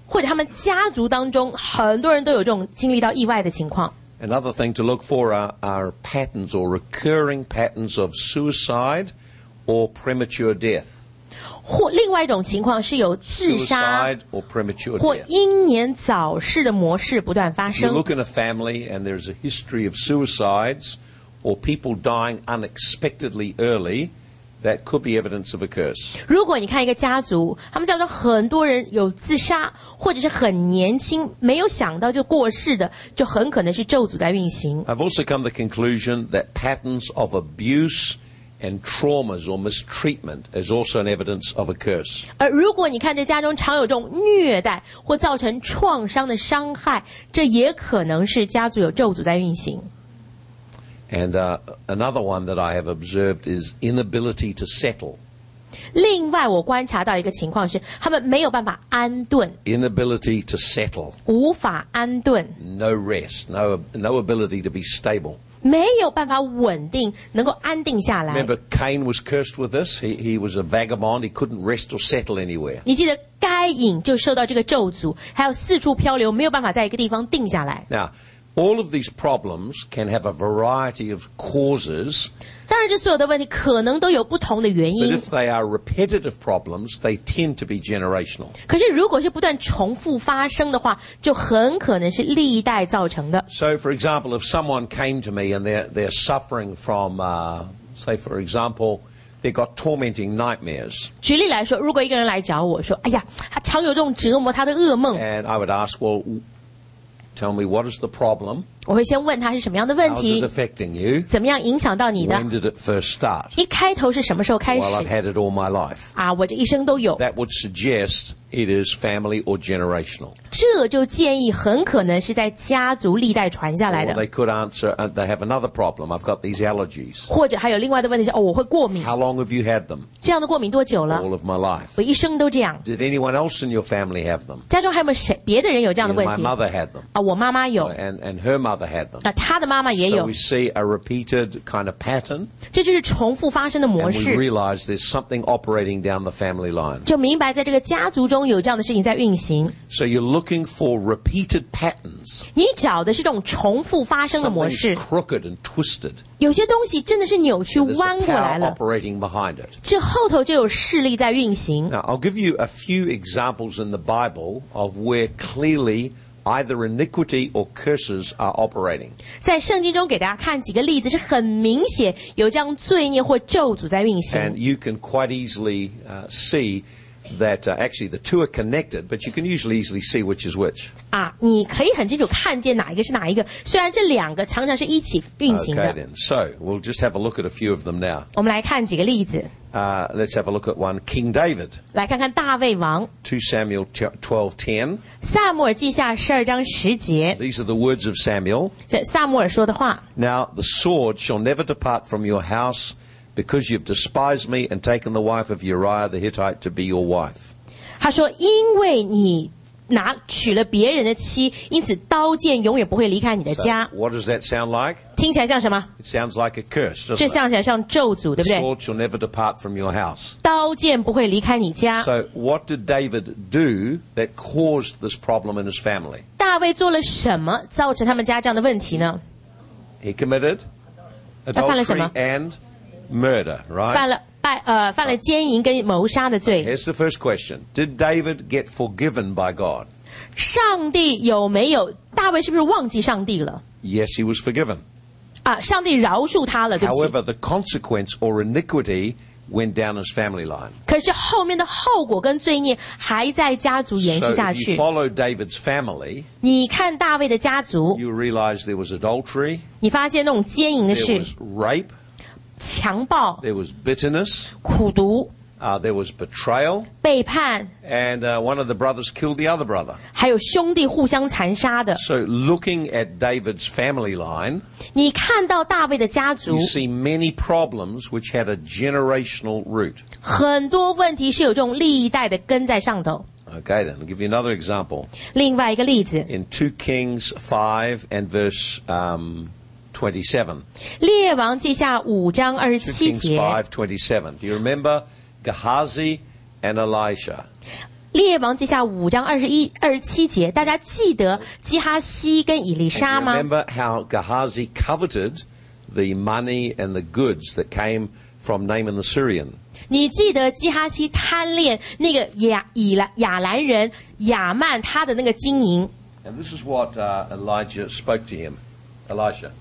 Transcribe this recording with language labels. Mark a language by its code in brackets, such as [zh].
[zh] 或者他们家族当中很多人都有这种经历到意外的情况。 [en] Another thing to look for are patterns or recurring patterns of suicide or premature death. [zh] 或另外一种情况是有自杀或英年早逝的模式不断发生。 [en] You look in a family and there's a history of suicides or people dying unexpectedly early, that could be evidence of a curse. [zh] 如果你看一个家族，他们家中很多人有自杀，或者是很年轻，没有想到就过世的，就很可能是咒诅在运行。 [en] I've also come to the conclusion that patterns of abuse and traumas or mistreatment is also an evidence of a curse. [zh] 而如果你看这家中常有这种虐待或造成创伤的伤害，这也可能是家族有咒诅在运行。 [en] And another one that I have observed is inability to settle. [zh] 另外我观察到一个情况是他们没有办法安顿。 [en] Inability to settle. [zh] 无法安顿。 [en] No rest, no ability to be stable. [zh] 没有办法稳定，能够安定下来。 [en] Remember, Cain was cursed with this. He was a vagabond. He couldn't rest or settle anywhere. [zh] 你记得该隐就受到这个咒诅，还要四处漂流，没有办法在一个地方定下来。 [en] Now, all of these problems can have a variety of causes. [zh] 当然，这所有的问题可能都有不同的原因。 [en] But if they are repetitive problems, they tend to be generational. [zh] 可是，如果是不断重复发生的话，就很可能是历代造成的。 [en] So, for example, if someone came to me and they're suffering from, say, for example, they've got tormenting nightmares. [zh] 举例来说，如果一个人来找我说，哎呀，他常有这种折磨他的噩梦。 [en] And I would ask, well,Tell me what is the problem? [zh] 我会先问他是什么样的问题。 [en] How is it affecting you? [zh] 怎么样影响到你的 [en] ？When did it first start? [zh] 一开头是什么时候开始 [en] ？Well, I've had it all my life. [zh] 啊，我这一生都有。 [en] That would suggest it is family or generational. [zh] 这就建议很可能是在家族历代传下来的。 [en] Or they could answer, they have another problem. I've got these allergies. [zh] 或者还有另外的问题是，哦，我会过敏。 [en] How long have you had them? [zh] 这样的过敏多久了 [en] ？All of my life. [zh] 我一生都这样。 [en] Did anyone else in your family have them? [zh] 家中还有没有谁别的人有这样的问题 [en] ？My mother had them. [zh] 啊，我妈妈有。 [en] And her mother. [zh] 那他的妈妈也有。 [en] So we see a repeated kind of pattern. [zh] 这就是重复发生的模式。 [en] And we realize there's something operating down the family line. [zh] 就明白在这个家族中有这样的事情在运行。 [en] So you're looking for repeated patterns. [zh] 你找的是这种重复发生的模式。 [en] Something's crooked and twisted. [zh] 有些东西真的是扭曲弯过来了。 [en] There's a power operating behind it. [zh] 这后头就有势力在运行。 [en] Now I'll give you a few examples in the Bible of where clearly. Either iniquity or curses are operating. [zh] 在圣经中给大家看几个例子，是很明显有这样罪孽或咒诅在运行。 [en] And you can quite easily see that actually the two are connected, but you can usually easily see which is which. [zh] 啊，你可以很清楚看见哪一个是哪一个，虽然这两个常常是一起运行的。 [en] Okay, then. So we'll just have a look at a few of them now. [zh] 我们来看几个例子。 [en] Let's have a look at one, King David. [zh] 来看看大卫王。 [en] 2 Samuel 12:10. [zh] 撒母耳记下十二章十节。 [en] These are the words of Samuel. [zh] 这撒母耳说的话。 [en] Now the sword shall never depart from your house, because you've despised me and taken the wife of Uriah the Hittite to be your wife. [zh] 他说，因为你拿娶了别人的妻，因此刀剑永远不会离开你的家。 [en] So, what does that sound like? [zh] 听起来像什么 [en] ？It sounds like a curse. [zh] 这像起来像咒诅，对不对 [en] ？The sword shall never depart from your house. [zh] 刀剑不会离开你家。 [en] So what did David do that caused this problem in his family? [zh] 大卫做了什么造成他们家这样的问题呢 [en] ？He committed adultery and murder, right? [zh] 犯了奸淫跟谋杀的罪。 [en] Here's the first question. Did David get forgiven by God? [zh] 上帝有没有，大卫是不是忘记上帝了？ [en] Yes, he was forgiven. [zh] 啊，上帝饶恕他了，对不起。 [en] However, the consequence or iniquity went down his family line. [zh] 可是后面的后果跟罪孽还在家族延续下去。 [en] So if you follow David's family, [zh] 你看大卫的家族， [en] you realize there was adultery, [zh] 你发现那种奸淫的事， [en] there was rape, [zh] 强暴 [en] there was bitterness, [zh] 苦毒 [en] there was betrayal, [zh] 背叛 [en] and one of the brothers killed the other brother. [zh] 还有兄弟互相残杀的 [en] So looking at David's family line, [zh] 你看到大卫的家族 [en] you see many problems which had a generational root. [zh] 很多问题是有这种历代的根在上头 [en] Okay, then, I'll give you another example. [zh] 另外一个例子 [en] In 2 Kings 5 and verse... [zh] 27. 列王记下五章二十七节 [en] 5:27. Do you remember Gehazi and Elisha? [zh] 列王记下五章二十一二十七节，大家记得基哈西跟以利沙吗 [en] ？Remember how Gehazi coveted the money and the goods that came from Naaman the Syrian？ [zh] 你记得基哈西贪恋那个亚兰人亚曼他的那个金银 [en] ？And this is what Elijah spoke to him, Elisha.